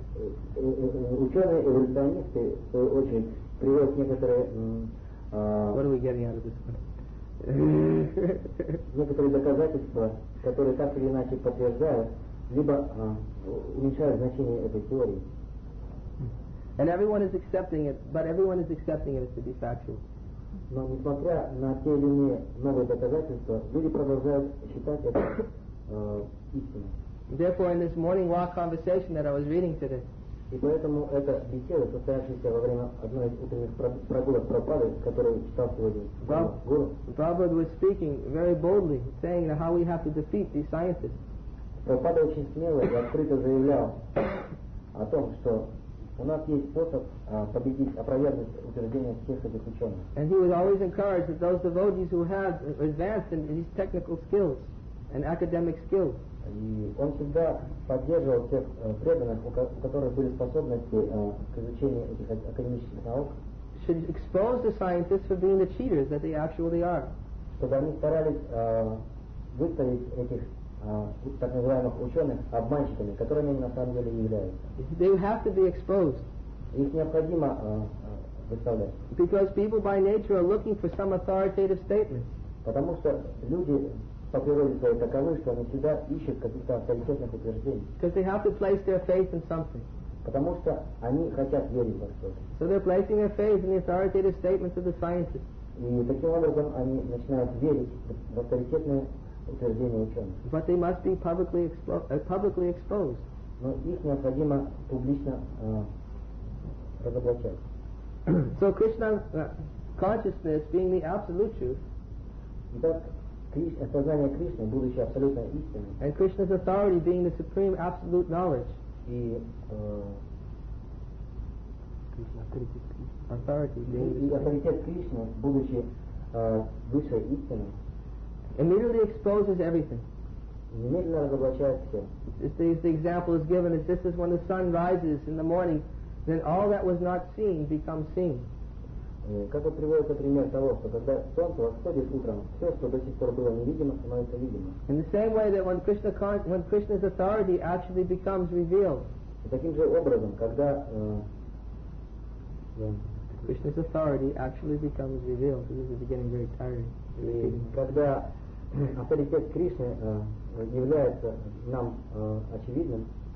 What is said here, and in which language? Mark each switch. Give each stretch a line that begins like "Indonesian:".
Russian: ученые-эволюционисты очень привез некоторые...
English: What are we getting out of this one?
Russian: Некоторые доказательства, которые так или иначе подтверждают, либо уменьшают значение этой теории.
English: And everyone is accepting it, but everyone is accepting it to be factual.
Russian: Но несмотря на те или иные новые доказательства, люди продолжают считать это истиной.
English: Therefore, in this morning walk conversation that I was reading today.
Russian: И поэтому эта беседа, состоявшаяся во время одной из утренних прогулок Прабхупады, которую читал сегодня Гуру.
English: Прабхупада was speaking very boldly, saying that how we have to defeat these scientists.
Russian: Прабхупада очень смело и открыто заявлял о том, что у нас есть способ победить, опровергнуть утверждения всех этих ученых.
English: And he was always encouraged that those devotees who had advanced in these technical skills and academic skills.
Russian: И он всегда поддерживал тех преданных, у которых были способности к изучению этих академических наук.
English: Should expose the scientists for being the cheaters that they actually are.
Russian: Чтобы они старались выставить этих так называемых ученых обманщиками, которыми они на самом деле являются.
English: They have to be exposed.
Russian: Их необходимо выставлять.
English: Because people by nature are looking for some authoritative statements.
Russian: Потому что люди по природе своей таковы, что они всегда ищут каких-то авторитетных утверждений.
English: Because they have to place their faith in something.
Russian: Потому что они хотят верить во что-то.
English: So they're placing their faith in the authoritative statements of the scientists.
Russian: И таким образом они начинают верить в авторитетные утверждения ученых.
English: But they must be publicly, publicly exposed.
Russian: Но их необходимо публично разоблачать.
English: So Krishna consciousness being the absolute truth.
Russian: Итак, осознание Кришны, будучи абсолютной истиной.
English: And Krishna's authority being the supreme absolute knowledge.
Russian: И авторитет Кришны, будучи высшей истиной.
English: Immediately exposes everything.
Russian: Немедленно разоблачает все.
English: The example is given is just as when the sun rises in the morning, then all that was not seen becomes seen.
Russian: Как вот приводится пример того, что когда солнце восходит утром, все, что до сих пор было невидимо, становится видимо.
English: In the same way that when Krishna's authority actually becomes revealed.
Russian: Таким же образом, когда
English: Krishna's authority actually becomes revealed. This is getting very tiring.
Russian: Когда авторитет Кришны является нам очевидным,